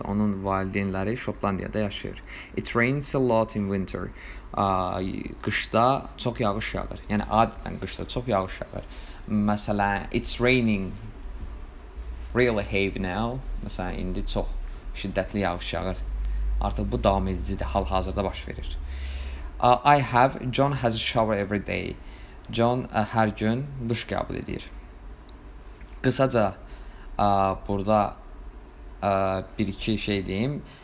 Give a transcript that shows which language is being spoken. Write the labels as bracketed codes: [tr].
[az] Onun valideynləri Şotlandiyada yaşayır. [en] It rains a lot in winter. [az] Qışda çox yağış yağır. Yəni, adətən qışda çox yağış yağır. Məsələn, [en] it's raining really heavy now. [az] Məsələn, indi çox şiddətli yağış yağır. Artıq bu davam edicidir, hal-hazırda baş verir. [en] I have, John has a shower every day. [az] John hər gün duş qəbul edir. Qısaca, burada bir-iki şey deyim.